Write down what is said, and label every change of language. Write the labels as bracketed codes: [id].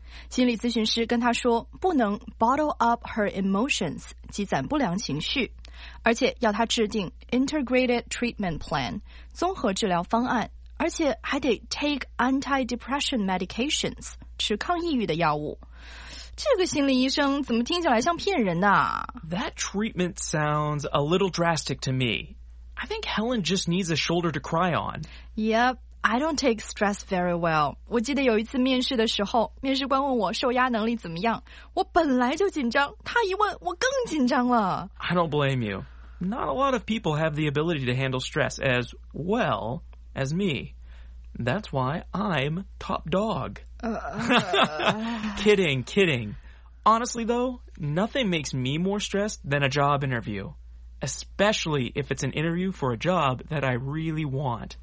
[zh] 心理咨询师跟她说，不能 [en] bottle up her emotions， [zh] 积攒不良情绪，而且要她制定 [en] integrated treatment plan， [zh] 综合治疗方案，而且还得 [en] take anti-depression medications， [zh] 吃抗抑郁的药物。这个心理医生怎么听起来像骗人的啊？ [en] That treatment sounds a little drastic to me. I think Helen just needs a shoulder to cry on. Yep, I don't take stress very well. [zh] 我记得有一次面试的时候，面试官问我受压能力怎么样，我本来就紧张，他一问我更紧张了。 [en] I don't blame you. Not a lot of people have the ability to handle stress as well as me. That's why I'm top dog. kidding. Honestly, though, nothing makes me more stressed than a job interview, especially if it's an interview for a job that I really want.